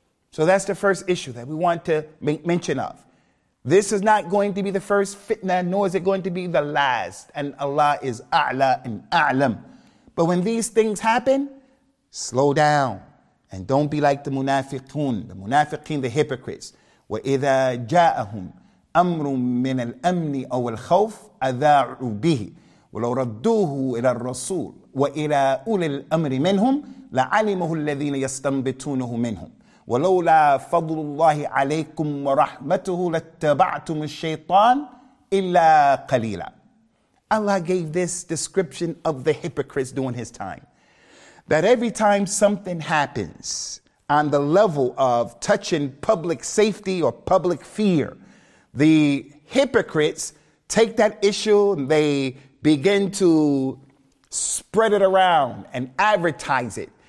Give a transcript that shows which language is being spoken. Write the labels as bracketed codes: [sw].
[en] So that's the first issue that we want to make mention of. This is not going to be the first fitna, nor is it going to be the last. And Allah is A'la and A'lam. But when these things happen, slow down. And don't be like the munafiqun, the munafiqin, the hypocrites. [ar] وَإِذَا جَاءَهُمْ أَمْرٌ مِّنَ الْأَمْنِ أَوَ الْخَوْفِ أَذَاعُوا بِهِ وَلَوْ رَدُّوهُ إِلَى الرَّسُولِ وَإِلَى أُولِي الْأَمْرِ مِنْهُمْ لَعَلِمَهُ الَّذِينَ يَسْتَنْبِتُونَهُ مِنْهُمْ ولولا فضل الله عليكم ورحمته لاتبعتم الشيطان إلا قليلا. [en] Allah gave this description of the hypocrites during his time. That every time something happens on the level of touching public safety or public fear, the hypocrites take that issue and they begin to spread it around and advertise it.